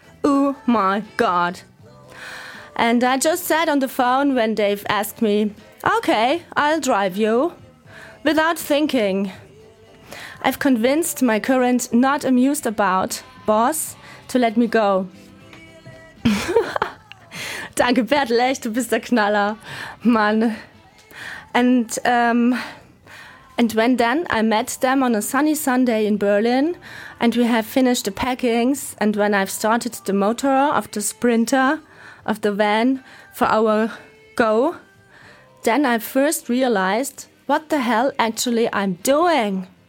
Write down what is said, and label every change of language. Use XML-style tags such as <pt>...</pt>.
<en>Oh my God. And I just sat on the phone when Dave asked me, okay, I'll drive you, without thinking. I've convinced my current not amused about boss to let me go.</en> <de>Danke, Bertel, echt, du bist der Knaller, Mann.</de> <en>And when then I met them on a sunny Sunday in Berlin and we have finished the packings and when I've started the motor of the sprinter of the van for our go, then I first realized what the hell actually I'm doing.</en>